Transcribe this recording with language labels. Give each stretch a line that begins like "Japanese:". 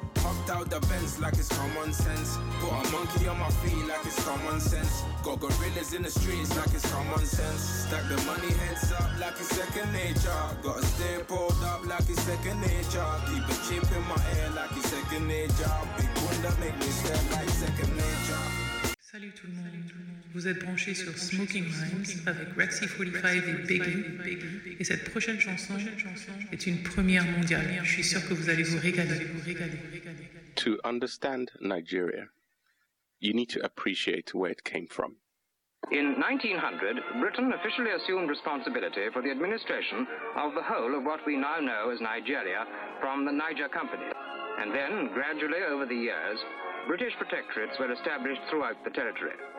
English: Popped out the Benz like it's common sense. Put a monkey on my feet like it's common sense. Got gorillas in the streets like it's common sense. Stack the money heads up like it's second nature. Got a stay pulled up like it's second nature. Keep a chip in my hair like it's second nature. Big bunda make me sweat like second nature.
French: Salut tout le monde. Vous êtes branchés sur Smoking Rhymes avec Rexy 45 et Biggie. Et cette prochaine chanson est une première mondiale. Je suis sûr que vous allez vous régaler.
English: To understand Nigeria, you need to appreciate where it came from. In 1900, Britain officially assumed responsibility for the administration of the whole of what we now know as Nigeria from the Niger Company. And then, gradually over the years, British protectorates were established throughout the territory.